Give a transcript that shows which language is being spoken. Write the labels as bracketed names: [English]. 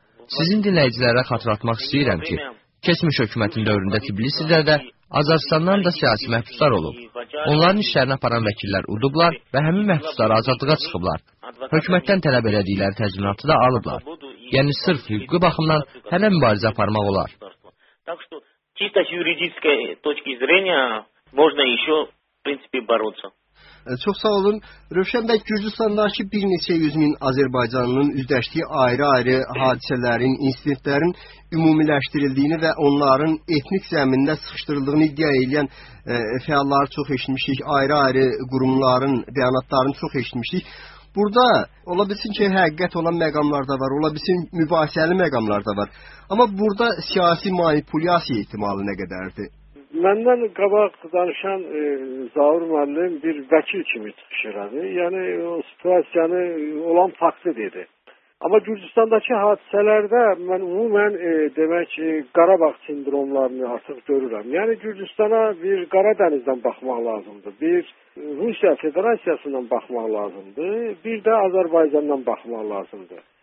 [Azerbaijani] Sizin dinləyicilərə xatırlatmaq istəyirəm ki, keçmiş hökumətin dövründə Tbilisidə də Azərbaycandan da siyasi məhbuslar olub. Onların işlərini aparan vəkillər udublar və həmin məhbusları azadlığa çıxıblar. Hökumətdən tələb elədikləri təzminatı da alıblar. Yəni sırf hüquqi baxımdan hələ mübarizə aparmaq olar. [Russian] Так что чисто с юридической точки зрения можно ещё, в принципе, бороться. [Azerbaijani] Çox sağ olun. Rövşən bəy, Gürcüstandakı bir neçə yüz min Azərbaycanlının üzləşdiyi ayrı-ayrı hadisələrin, insidentlərin ümumiləşdirildiyini və onların etnik zəmində sıxışdırıldığını iddia edən fəalları çox eşitmişik, ayrı-ayrı qurumların bəyanatlarını çox eşitmişik. Burada ola bilsin ki, həqiqət olan məqamlar da var, ola bilsin mübahisəli məqamlar da var. Amma burada siyasi manipulyasiya ehtimalı nə qədərdir? Məndən qabaq danışan Zaur müəllim bir vəkil kimi çıxış elədi. Yəni, o situasiyanı olan faktı dedi. Amma Gürcüstandakı hadisələrdə mən umumən demək ki, Qarabağ sindromlarını artıq görürəm. Yəni, Gürcüstana bir Qaradənizdən baxmaq lazımdır, bir Rusiya Federasiyasından baxmaq lazımdır, bir də Azərbaycandan baxmaq lazımdır.